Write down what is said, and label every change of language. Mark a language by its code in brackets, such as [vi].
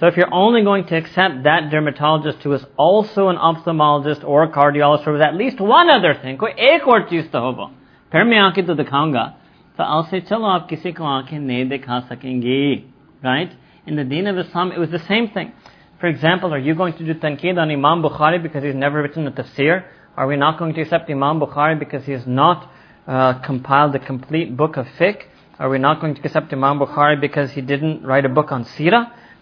[en] So if you're only going to accept that dermatologist who is also an ophthalmologist or a cardiologist or with at least one other thing، [ur] کوئی ایک اور چیز تو ہوگا، پھر میں آکے تو دکھاؤنگا۔ [en] So I'll say، [ur] چلو آپ کسی کو آکے نہیں دکھا سکینگے۔ [en] Right? In the deen of Islam, it was the same thing. For example, are you going to do tanqeed on Imam Bukhari because he's never written a tafsir? Are we not going to accept Imam Bukhari because he has not compiled the complete book of fiqh? Are we not going to accept Imam Bukhari because he didn't write a book on seerah?